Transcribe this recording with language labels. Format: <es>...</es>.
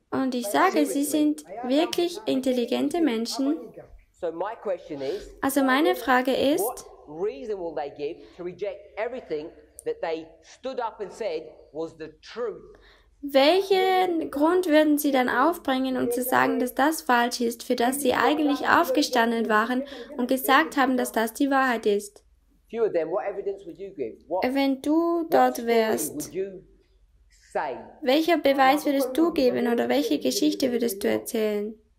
<de>Und ich sage, sie sind wirklich intelligente Menschen.</de> <en>So my question is.</en> <de>Also meine Frage ist.</de> <en>Reason will they give to reject everything that they stood up and said was the truth?</en> <de>Welchen Grund würden sie dann aufbringen, um zu sagen, dass das falsch ist, für das sie eigentlich aufgestanden waren und gesagt haben, dass das die Wahrheit ist? Wenn du dort wärst, welcher Beweis würdest du geben oder welche Geschichte würdest du erzählen?</de>